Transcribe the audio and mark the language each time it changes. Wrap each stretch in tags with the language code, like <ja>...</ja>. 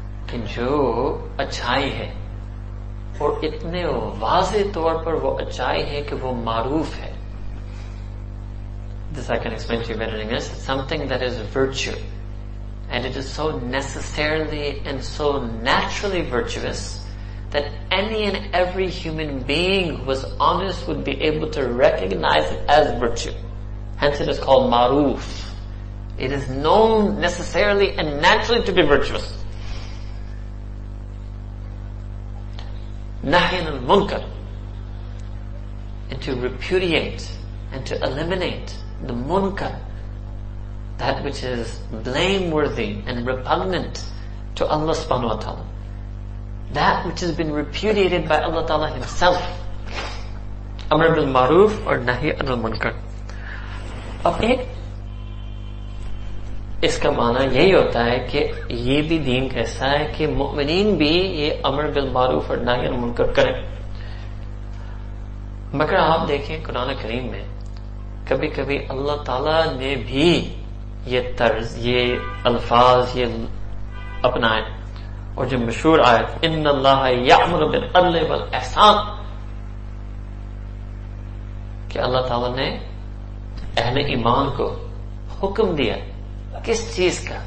<hi>कि जो अच्छाई है और इतने वाज़े तौर पर वो अच्छाई है कि वो मारूफ है,</hi> <en>This I can explain to you better in English, something that is virtue and it is so necessarily and so naturally virtuous that any and every human being who is honest would be able to recognise it as virtue, hence it is called maruf, it is known necessarily and naturally to be virtuous. Nahy anil munkar, and to repudiate and to eliminate the munkar, that which is blameworthy and repugnant to Allah subhanahu wa ta'ala, that which has been repudiated by Allah ta'ala himself, amr bil maruf or nahy anil munkar.</en> <hi>अब एक इसका माना यही होता है कि ये भी दीन कैसा है कि मोमिनीन भी ये अमर बिल मारूफ और नाहय अनिल मुनकर करें, मगर आप देखें कुरान करीम में कभी कभी अल्लाह ताला ने भी ये तर्ज, ये अल्फाज ये अपनाए, और जो मशहूर आयत</hi> <ar>इन्नल्लाह यामुर बिल अदल वल एहसान,</ar> <hi>कि अल्लाह ताला ने अहले ईमान को हुक्म दिया किस चीज का।</hi>